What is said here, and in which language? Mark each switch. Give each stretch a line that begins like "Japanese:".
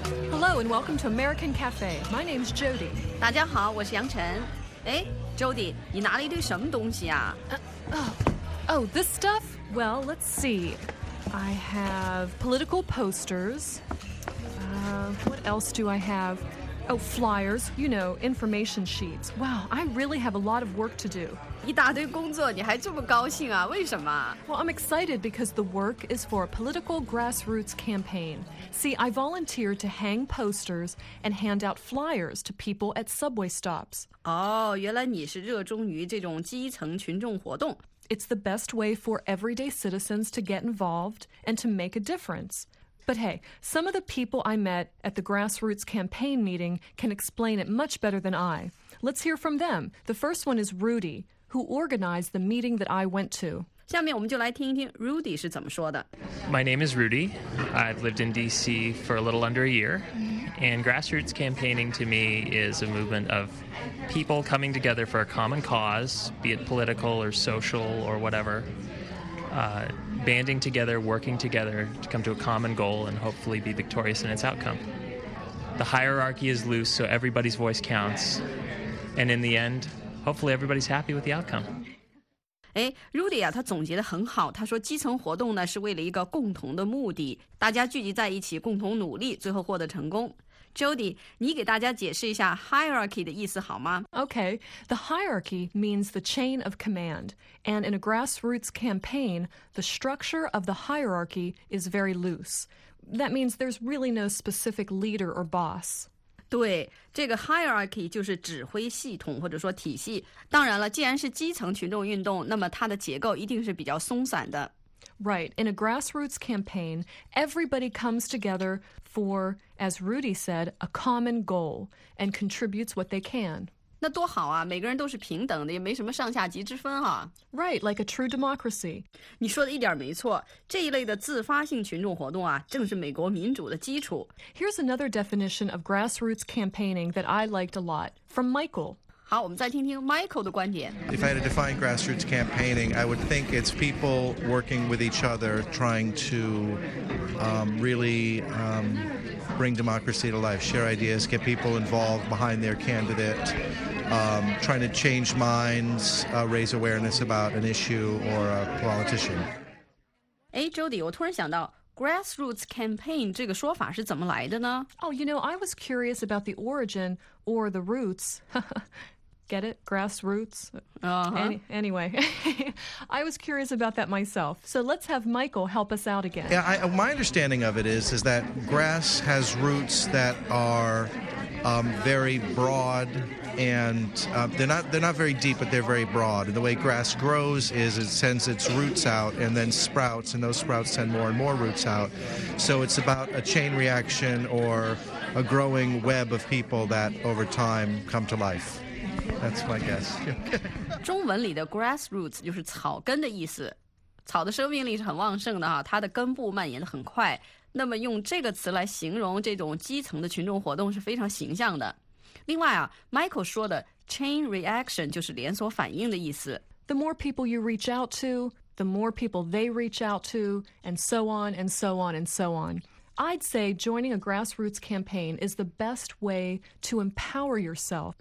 English: Hello and welcome to American Cafe. My name is Jody.
Chinese: 大家好，我是杨晨。哎 ，Jody， 你拿了一堆什么东西啊
English: ？Oh, this stuff. Well, let's see. I have political posters. What else do I have? Oh, flyers. You know, information sheets. Wow, I really have a lot of work to do.
Chinese: 一大堆工作，你还这么高兴啊？为什么
English: ？Well, I'm excited because the work is for a political grassroots campaign. See, I volunteered to hang posters and hand out flyers to people at subway stops.
Chinese: Oh, 原来你是热衷于这种基层群众活动。
English: It's the best way for everyday citizens to get involved and to make a difference. But hey, some of the people I met at the grassroots campaign meeting can explain it much better than I. Let's hear from them. The first one is Rudy, who organized the meeting that I went to.
Chinese: 下面我们就来听一听 Rudy 是怎么说的。
English: My name is Rudy. I've lived in D.C. for a little under a year. And grassroots campaigning to me is a movement of people coming together for a common cause, be it political or social or whatever, banding together, working together to come to a common goal and hopefully be victorious in its outcome. The hierarchy is loose, so everybody's voice counts. And in the end, hopefully everybody's happy with the outcome.
Chinese: Rudy 啊，他总结得很好。他说，基层活动呢是为了一个共同的目的，大家聚集在一起，共同努力，最后获得成功。 Jody， 你给大家解释一下 hierarchy 的意思好吗
English: ？Okay, the hierarchy means the chain of command, and in a grassroots campaign, the structure of the hierarchy is very loose. That means there's really no specific leader or boss.
Chinese: 对，这个 hierarchy 就是指挥系统或者说体系。当然了，既然是基层群众运动，那么它的结构一定是比较松散的。
English: Right, in a grassroots campaign, everybody comes together for, as Rudy said, a common goal and contributes what they can.
Chinese: 那多好啊，每个人都是平等的，也没什么上下级之分啊。
English: Right, like a true democracy.
Chinese: 你说的一点没错，这一类的自发性群众活动啊，正是美国民主的基础。
English: Here's another definition of grassroots campaigning that I liked a lot, from Michael.
Chinese: 好，我们再听听 Michael 的观点。
English: If I had to define grassroots campaigning, I would think it's people working with each other, trying to bring democracy to life, share ideas, get people involved behind their candidate, trying to change minds, raise awareness about an issue or a politician.
Chinese: Hey, Jody, 我突然想到 grassroots campaign 这个说法是怎么来的呢
English: Oh, you know, I was curious about the origin or the roots. Get it? Grassroots? Anyway, I was curious about that myself. So let's have Michael help us out again. Yeah, my understanding of it is that grass has roots that are very broad and they're not very deep, but they're very broad. And the way grass grows is it sends its roots out and then sprouts, and those sprouts send more and more roots out. So it's about a chain reaction or a growing web of people that over time come to life. That's my guess.
Chinese: 中文里的 grassroots 就是草根的意思，草的生命力是很旺盛的哈，它的根部蔓延的很快。那么用这个词来形容这种基层的群众活动是非常形象的。另外啊 ，Michael 说的 chain reaction 就是连锁反应的意思。
English: The more people you reach out to, the more people they reach out to, and so on and so on and so on. I'd say joining a grassroots campaign is the best way to empower yourself.